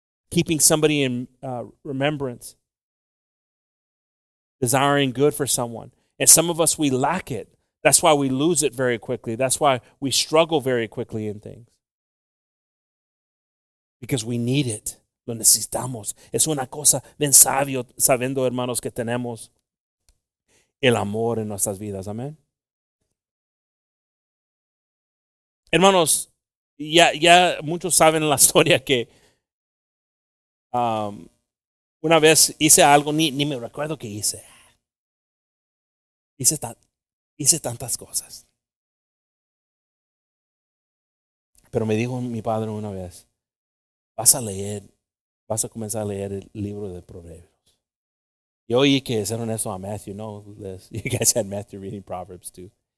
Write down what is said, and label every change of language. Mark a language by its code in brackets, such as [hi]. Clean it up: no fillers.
[en] Keeping somebody in remembrance. Desiring good for someone. And some of us, we lack it. That's why we lose it very quickly. That's why we struggle very quickly in things. Because we need it. [es] Lo necesitamos. Es una cosa bien sabio, sabiendo, hermanos, que tenemos el amor en nuestras vidas. Amén. Hermanos, ya muchos saben la historia que una vez hice algo, ni me recuerdo qué hice. Hice tantas cosas. Pero me dijo mi padre una vez, vas a comenzar a leer el libro de Proverbios. Yo oí que hicieron eso a Matthew, no, Liz. [en] You guys had Matthew reading Proverbs too.